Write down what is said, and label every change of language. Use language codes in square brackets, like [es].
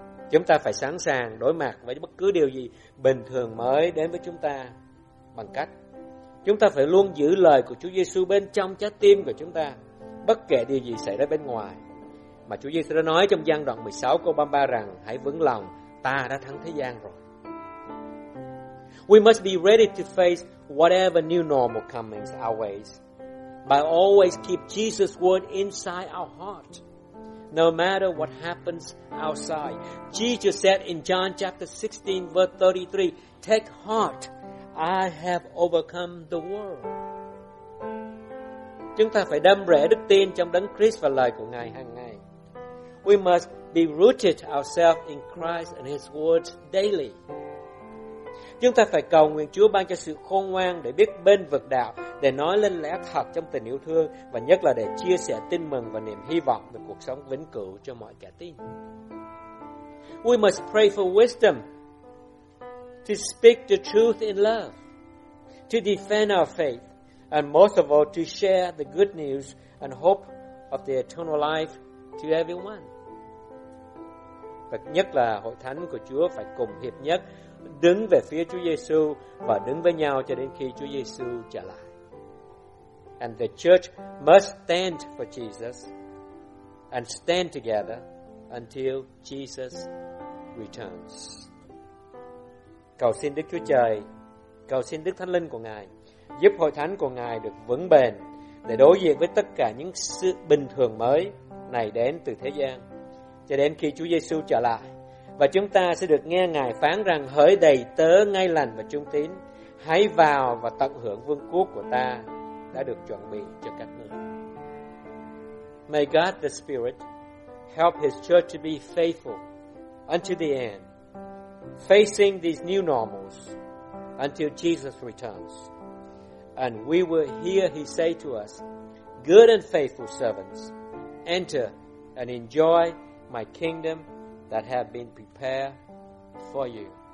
[vi] Chúng ta phải sẵn sàng đối mặt với bất cứ điều gì bình thường mới đến với chúng ta bằng cách chúng ta phải luôn giữ lời của Chúa Giêsu bên trong trái tim của chúng ta bất kể điều gì xảy ra bên ngoài. Mà Chúa Giêsu đã nói trong Giăng đoạn 16 câu 33 rằng hãy vững lòng, ta đã thắng thế gian rồi. [en] We must be ready to face whatever new normal comes our ways by always keep Jesus' word inside our heart. No matter what happens outside. Jesus said in John chapter 16 verse 33, take heart, I have overcome the world. [vi] Chúng ta phải đâm rễ đức tin trong Đấng Christ và lời của Ngài hàng ngày. [en] We must be rooted ourselves in Christ and His words daily. [vi] Chúng ta phải cầu nguyện Chúa ban cho sự khôn ngoan để biết bên vực đạo, để nói lên lẽ thật trong tình yêu thương và nhất là để chia sẻ tin mừng và niềm hy vọng về cuộc sống vĩnh cửu cho mọi kẻ tin. [en] We must pray for wisdom to speak the truth in love, to defend our faith, and most of all to share the good news and hope of the eternal life to everyone. [vi] Và nhất là hội thánh của Chúa phải cùng hiệp nhất đứng về phía Chúa Giêsu và đứng với nhau cho đến khi Chúa Giêsu trở lại. [en] And the church must stand for Jesus and stand together until Jesus returns. [vi] Cầu xin Đức Chúa Trời, cầu xin Đức Thánh Linh của Ngài giúp hội thánh của Ngài được vững bền để đối diện với tất cả những sự bình thường mới này đến từ thế gian cho đến khi Chúa Giêsu trở lại. Và chúng ta sẽ được nghe Ngài phán rằng hỡi đầy tớ ngay lành và trung tín, hãy vào và tận hưởng vương quốc của ta đã được chuẩn bị cho các ngươi. [en] May God the Spirit help His church to be faithful until the end, facing these new normals until Jesus returns. And we will hear He say to us, good and faithful servants, enter and enjoy my kingdom that have been prepared for you.